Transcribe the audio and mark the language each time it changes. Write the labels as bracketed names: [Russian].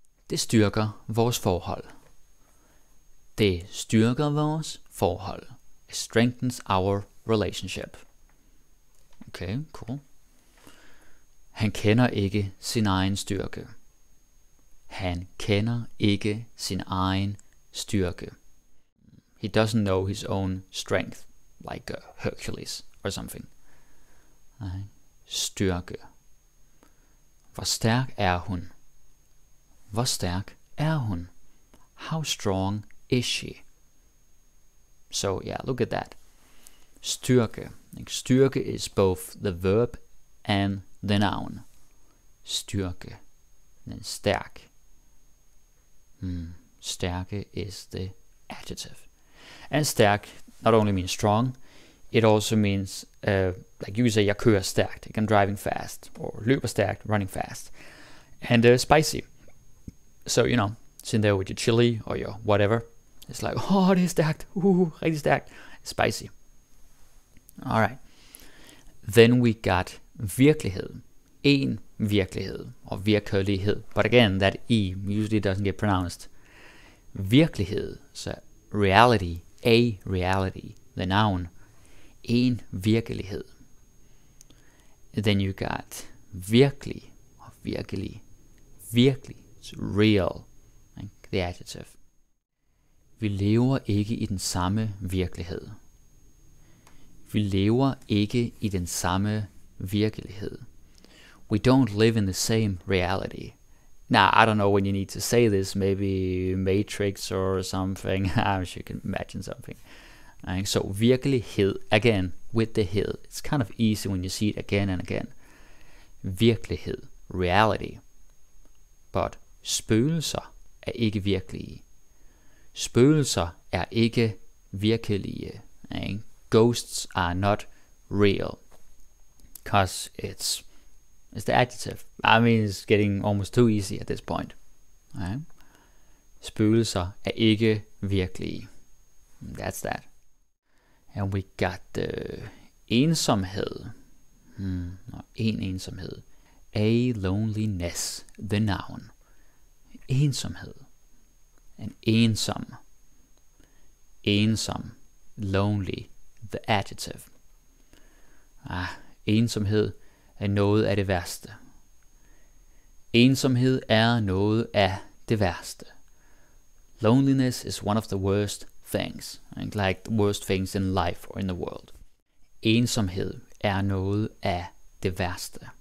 [Danish] Det styrker vores forhold. Det styrker vores forhold. [English] It strengthens our relationship. Okay, cool. [Danish] Han kender ikke sin egen styrke. Han kender ikke sin egen styrke. [English] He doesn't know his own strength, like Hercules or something. [Danish] Styrke. Hvor stærk er hun? Hvor stærk er hun? [English] How strong is she? So yeah, look at that. Styrke. Like, styrke is both the verb and the noun. Styrke. Then stærk. Stærke is the adjective. And stærk not only means strong, it also means, like you say, [Danish] jeg kører stærkt, [English] like I'm driving fast, or [Danish] løber stærkt, [English] running fast. And spicy. So, you know, sitting there with your chili or your whatever, it's like, oh, [Danish] det er stærkt, rigtig stærkt, [English] spicy. Alright. Then we got virkelighed. En virkelighed, or virkelighed. But again, that E usually doesn't get pronounced. Virkelighed, so reality, a reality, the noun. En virkelighed. Then you got virkelig, or virkelig. Virkelig, it's real, like the adjective. [Danish] Vi lever ikke i den samme virkelighed. Vi lever ikke i den samme virkelighed. [English] We don't live in the same reality. Now, I don't know when you need to say this, maybe Matrix or something. I'm sure you can imagine something. Right. So, virkelighed, again, with the hed. It's kind of easy when you see it again and again. Virkelighed, reality. [Danish] But spøgelser er ikke virkelige. Spøgelser er ikke virkelige. [English] Right. Ghosts are not real. Because it's the adjective. I mean, it's getting almost too easy at this point. Right. [Danish] Spøgelser er ikke virkelige. [English] That's that. And we got [Danish] ensomhed. Ensomhed. [English] A loneliness, the noun. Ensomhed. [Danish] An ensom. Ensom. [English] Lonely, the adjective. [Danish] Ensomhed er noget af det værste. Ensomhed er noget af det værste. [English] Loneliness is one of the worst things, like the worst things in life or in the world. [Danish] Ensomhed er noget af det værste.